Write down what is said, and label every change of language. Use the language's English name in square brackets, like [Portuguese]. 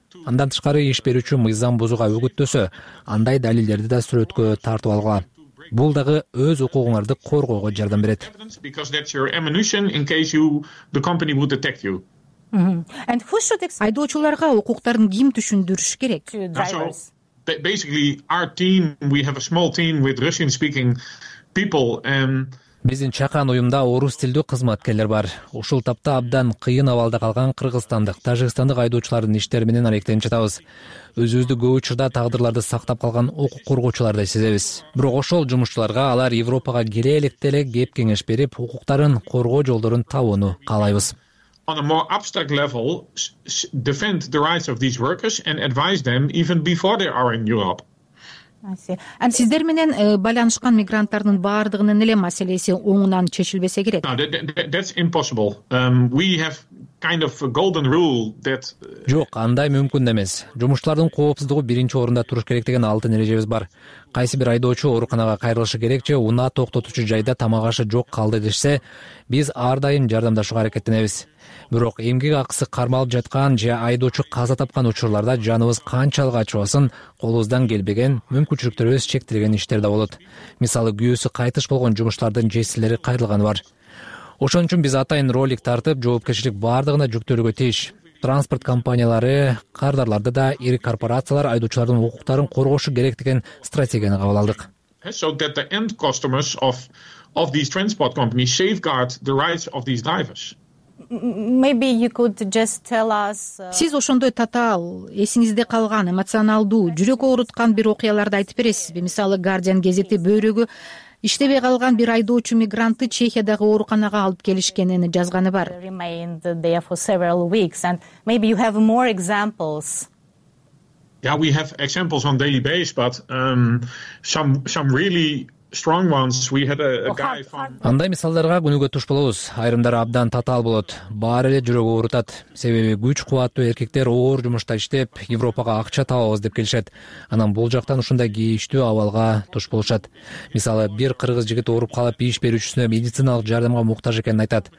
[Kyrgyz] Андан тышкары иш берүүчү мыйзам бузууга үгүттөсө, андай далилдерди да сүрөткө тартып алган. Бул дагы өз укугуңарды коргоого жардам берет. Айдоочуларга укуктарын ким түшүндүрүш керек? [English] Basically our team, we have a small team with Russian speaking people and [Kyrgyz] биздин чакан уюмда орус тилдүү кызматкерлер бар. Ушул тапта абдан кыйын абалда калган кыргызстандык, тажикстандык айдоочулардын иштери менен алектенип жатабыз. Өзүбүздү көп учурда тагдырларды сактап калган укук коргоочуларды сезебиз. Бирок ошол жумушчуларга алар Европага кире электе эле кеп кеңеш берип, укуктарын коргоо жолдорун табууну каалайбыз. [English] On a more abstract level, defend the rights of these workers and advise them even before they are in Europe. [Kyrgyz] Сиздер менен байланышкан мигранттардын баардыгынын эле маселеси оңунан чечилбесе керек. [English] That's impossible. We have kind of a golden rule that [Kyrgyz] жок, андай мүмкүн эмес. Жумушчулардын коопсуздугу биринчи орунда туруш керек деген алтын эрежебиз бар. Кайсы бир айдоочу ооруканага кайрылышы керек же унаа токтотуучу жайда тамагашы жок калды дешсе, биз ар дайым жардамдашууга аракеттенебиз. Бирок эмгек акысы кармалып жаткан же айдоочу каза тапкан учурларда жаныбыз канчалык ачыбасын, колубуздан келбеген мүмкүнчүлүктөрүбүз чектелген иштер да болот. Мисалы, күйөөсү кайтыш болгон жумушчулардын жесилери кайрылганы бар. Ошон үчүн биз атайын ролик тартып, жоопкерчилик баардыгына жүктөлүүгө тийиш. Транспорт компаниялары, кардарларды да, ири корпорациялар айдоочулардын укуктарын коргошу керек деген стратегияны кабыл алдык. [English] So that the end customers of these transport companies safeguard the rights of these drivers. Maybe you could just tell us. [Kyrgyz] Сиз ошондой татаал, эсиңизде калган, эмоционалдуу, жүрөк ооруткан бир окуяларды айтып бересизби? Мисалы, Guardian гезити бөйрөгү иштебей калган бир айдоочу мигрантты Чехиядагы ооруканага алып келишкенин жазганы бар. [English] Remained there for several weeks and maybe you have more examples. Yeah, we have examples on daily basis, but some really strong ones. We had a guy from [Kyrgyz] андай мисалдарга күнүгө туш болобуз. Айрымдары абдан татаал болот, баары эле жүрөгү оорутат. Себеби күч кубаттуу эркектер оор жумушта иштеп, Европага акча табабыз деп келишет. Анан бул жактан ушундай кийиштүү абалга туш болушат. Мисалы, бир кыргыз жигит ооруп калып, иш берүүчүсүнө медициналык жардамга муктаж экенин айтат.